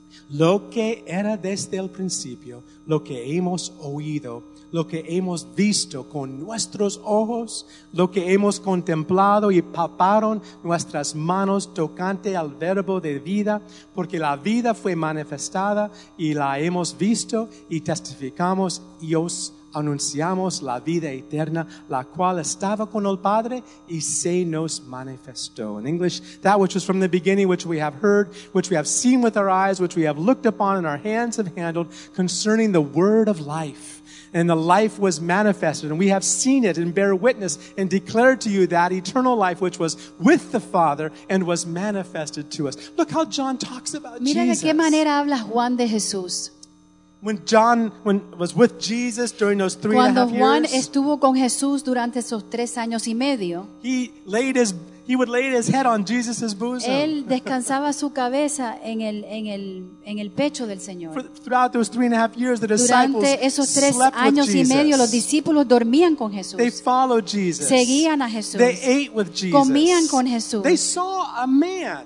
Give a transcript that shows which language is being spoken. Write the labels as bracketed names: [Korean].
[Spanish] Lo que era desde el principio, lo que hemos oído, lo que hemos visto con nuestros ojos, lo que hemos contemplado y palparon nuestras manos tocante al verbo de vida, porque la vida fue manifestada y la hemos visto y testificamos y os anunciamos la vida eterna, la cual estaba con el Padre y se nos manifestó. [English] In English, that which was from the beginning, which we have heard, which we have seen with our eyes, which we have looked upon and our hands have handled concerning the word of life. And the life was manifested and we have seen it and bear witness and declare to you that eternal life which was with the Father and was manifested to us. Look how John talks about [Spanish] mira [English] Jesus. [Spanish] Mira de qué manera habla Juan de Jesús. [English] When John was with Jesus during those 3.5 years, [Spanish] cuando Juan estuvo con Jesús durante esos 3 años y medio, [English] he would lay his head on Jesus's bosom. [Spanish] Él descansaba su cabeza en el pecho del Señor. [English] Throughout those 3.5 years, the disciples [Spanish] durante esos 3 años y medio, los discípulos dormían con Jesús. [English] They followed Jesus. [Spanish] Seguían a Jesús. [English] They ate with Jesus. [Spanish] Comían con Jesús. [English] They saw a man.